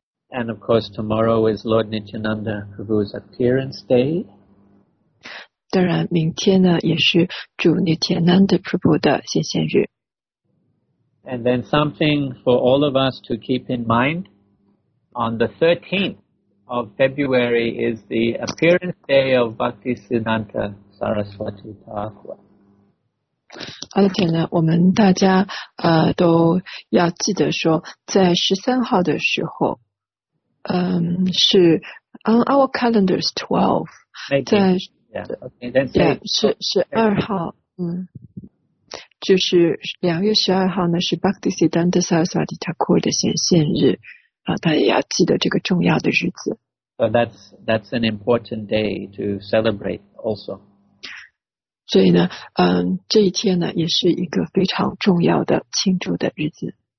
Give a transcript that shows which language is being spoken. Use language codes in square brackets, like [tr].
[en] And of course, tomorrow is Lord Nityananda Prabhu's appearance day. [zh] 当然，明天呢也是主尼铁南德瀑布的显现日。 [en] And then something for all of us to keep in mind, on the 13th of February is the appearance day of Bhaktisiddhanta Saraswati Thakur. [zh] 而且呢，我们大家都要记得说，在13号的时候，是 [en] on our calendars 12， [zh] 在 12号，就是2月12号呢，是 Bhaktisiddhanta Saraswati Thakur 的显现日大家也要记得这个重要的日子。 [en] So that's an important day to celebrate also. [zh] 所以呢，这一天呢，也是一个非常重要的庆祝的日子。